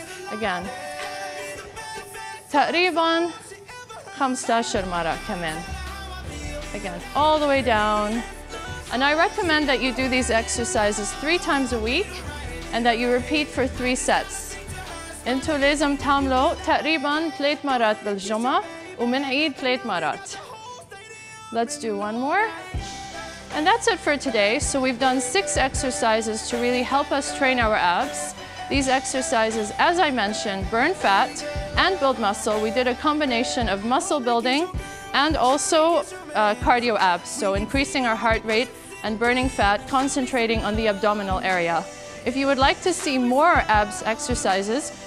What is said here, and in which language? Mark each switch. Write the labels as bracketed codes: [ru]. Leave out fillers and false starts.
[ar] Again. تقريباً 15 مرة كمان. [en] Again, all the way down. And I recommend that you do these exercises 3 times a week and that you repeat for 3 sets. [ar] انتو لازم تعملو تقريباً 3 مرات بالجمعة ومنعيد 3 مرات. [en] Let's do one more. And that's it for today. So we've done 6 exercises to really help us train our abs. These exercises, as I mentioned, burn fat and build muscle. We did a combination of muscle building and also cardio abs, so increasing our heart rate and burning fat, concentrating on the abdominal area. If you would like to see more abs exercises,